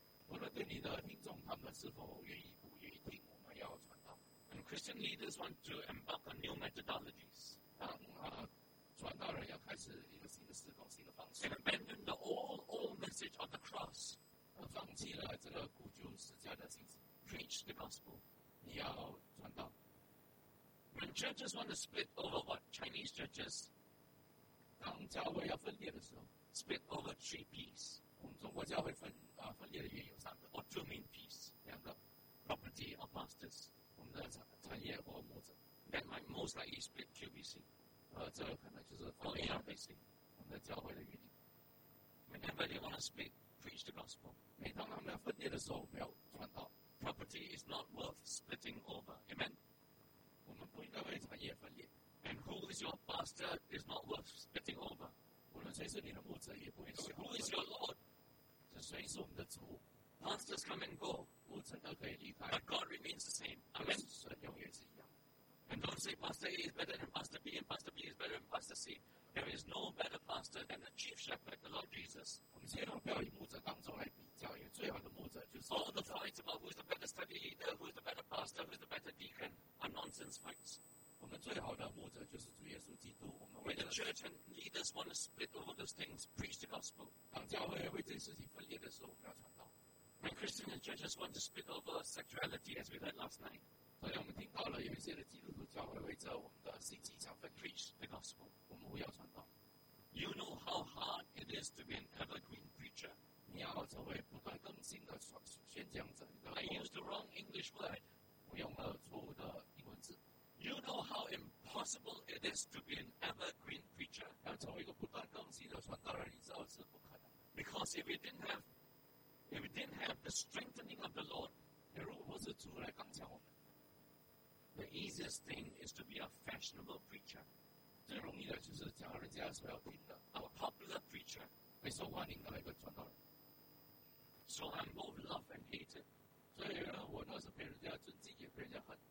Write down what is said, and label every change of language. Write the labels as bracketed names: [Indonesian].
[Chinese] 无论对你的听众他们是否愿意不愿意听，我们要传道。 [English] And Christian leaders want to embark on new methodologies. [Chinese] 当传道人要开始一个新的事工、新的方式。 [English] And abandon the old message of the cross. [Chinese] 放弃了这个古旧十字架的信息。 [English] Preach the gospel. [Chinese] 你要传道。 [English] When churches want to split over what Chinese churches, [Chinese] 当教会要分裂的时候 [English] ，split over three P's. [Chinese] 我们中国教会分裂的原因有三个 [English] ，or two main P's. [Chinese] 两个 [English] ，property of pastors. [Chinese] 我们的产业或牧者 [English] ，that might most likely split QBC. [Chinese] 这可能就是 [English] for ARBC. [Chinese] 我们的教会的原因。 [English] Whenever they want to split, preach the gospel. [Chinese] 每当他们要分裂的时候，我们要传道。 [English] Property is not worth splitting over. Amen. [Chinese] 我们不应该为产业分裂。 [English] And who is your pastor is not worth splitting over. [Chinese] 无论谁是你的牧者也不会 [English] 是。Who is your Lord? [Chinese] 这谁是我们的主。 [English] Pastors come and go. [Chinese] 牧者都可以离开。 [English] But God remains the same. Amen. [Chinese] 神永远是一样。 [English] And don't say Pastor A is better than Pastor B and Pastor B is better than Pastor C. There is no better pastor than the chief shepherd, the Lord Jesus. [Chinese] 我们千万不要以牧者当中来比较，因为最好的牧者就是。 [English] All the fights about who is the better study leader, who is the better pastor, who is the better deacon. Nonsense fights. [Chinese] 我们最好的牧者就是主耶稣基督。我们 [English] When the church and leaders want to split over those things, preach the gospel. [Chinese] 当教会为这些事情分裂的时候，我们要传道。 [English] When Christians and churches want to split over sexuality, as we heard last night, [Chinese] 所以我们听到了有一些的基督徒教会为着我们的性倾向分裂。 [English] Preach the gospel. [Chinese] 我们要传道。 [English] You know how hard it is to be an evergreen preacher. [Chinese] 你要成为不断更新的宣讲者。 [English] I used the wrong English word. [Chinese] 我用了错误的。 [English] You know how impossible it is to be an evergreen preacher. [Chinese] 要成为一个不断更新的传道人，你知道是不可能。 [English] Because if we didn't have the strengthening of the Lord, [Chinese] 如果不是主来刚强我们 [English] ，the easiest thing is to be a fashionable preacher. [Chinese] 最容易的就是讲人家所要听的 [English] ，a popular preacher, [Chinese] 被受欢迎的一个传道人。 [English] So I'm both loved and hated. [Chinese] 所以呢，我那是被人家尊敬，也被人家恨。